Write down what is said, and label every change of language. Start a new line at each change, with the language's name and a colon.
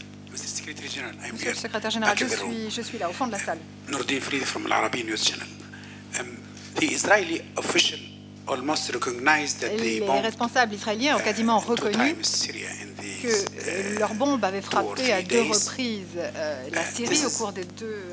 French: Monsieur le secrétaire général, je suis là, au fond de la salle.
English: Nourdine Farid from Al Arabiya News Channel. The Israeli official almost recognized that they bombed.
French: Les responsables israéliens ont quasiment reconnu que leur bombe avait frappé à deux reprises la Syrie au cours des deux.